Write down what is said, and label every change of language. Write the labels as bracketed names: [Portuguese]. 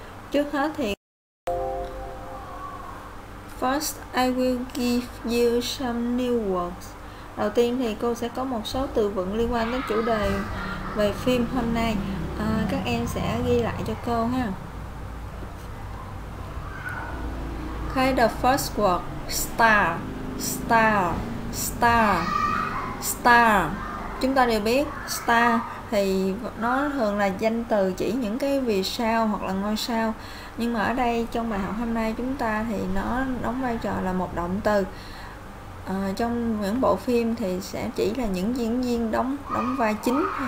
[Vietnamese] Trước hết thì [English] First, I will give you some new words. [Vietnamese] Đầu tiên thì cô sẽ có một số từ vựng liên quan đến chủ đề về phim hôm nay. Các em sẽ ghi lại cho cô ha. [English] Okay, the first word, star, star, star, star. [Vietnamese] Chúng ta đều biết star thì nó thường là danh từ chỉ những cái vì sao hoặc là ngôi sao. Nhưng mà ở đây trong bài học hôm nay chúng ta thì nó đóng vai trò là một động từ. Trong những bộ phim thì sẽ chỉ là những diễn viên đóng vai chính.